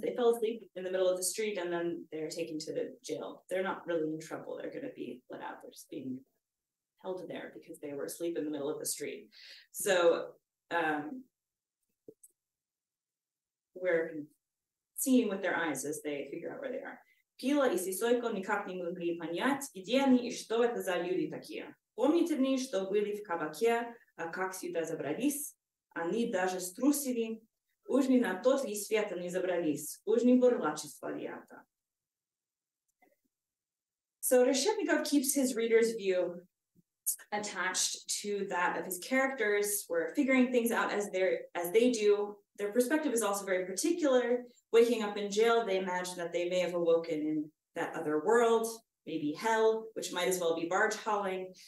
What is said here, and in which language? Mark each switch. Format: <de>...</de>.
<en>They fell asleep in the middle of the street, and then they're taken to the jail. They're not really in trouble. They're going to be let out. They're just being held there because they were asleep in the middle of the street. So we're seeing with their eyes as they figure out where they are.</en> <ru>Пила и сисойко никак не могли понять, где они и что это за люди такие. Помните мне, что были в кабаке, а как сюда забрались? Они даже струсили. Уж не на тот ли свет они забрались, уж не бурлачество ли это.</ru> <en>So Reshetnikov keeps his reader's view attached to that of his characters. We're figuring things out as they do, their perspective is also very particular. Waking up in jail, they imagine that they may have awoken in that other world, maybe hell, which might as well be barge hauling.</en>